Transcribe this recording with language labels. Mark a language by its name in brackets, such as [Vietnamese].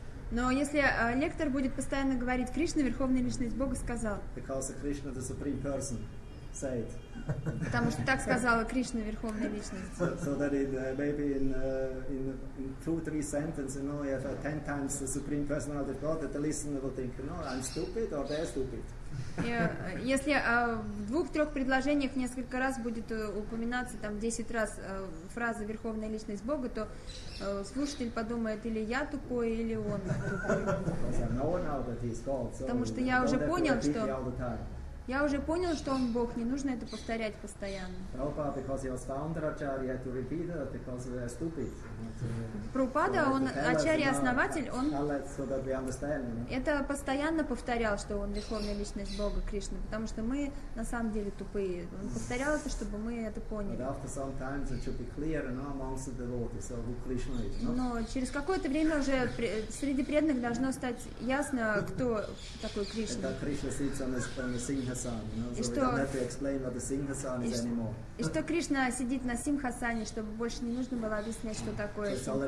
[Russian] Но если лектор будет постоянно говорить «Кришна, Верховная Личность Бога, сказал». Потому что так сказала Кришна, Верховная Личность. [English] So that in, maybe in two, three sentences, you know, you have 10 times the Supreme Personality of God, that the listener will think, no, I'm stupid or they're stupid. [Russian] Если в двух-трех предложениях несколько раз будет упоминаться, там, 10 раз фраза «Верховная Личность Бога», то слушатель подумает, или я тупой, или он тупой. Потому что я уже понял, что... Я уже понял, что он Бог, не нужно это повторять постоянно. [English] Prabhupada, because he was founder Acharya, had to repeat it because we are stupid. [Russian] Prabhupada, он Ачарья основатель, он [English] so that we understand, you know? [Russian] Это постоянно повторял, что он Верховная Личность Бога Кришны, потому что мы на самом деле тупые. Он повторял это, чтобы мы это поняли. [English] But after some time, it should be clear, you know, amongst the devotees, so who Krishna is, you know? [Russian] Но через какое-то время уже среди преданных должно стать ясно, кто такой Кришна. [English] That Krishna sits on the scene. [Russian] И что Кришна сидит на симхасане, чтобы больше не нужно было объяснять, что такое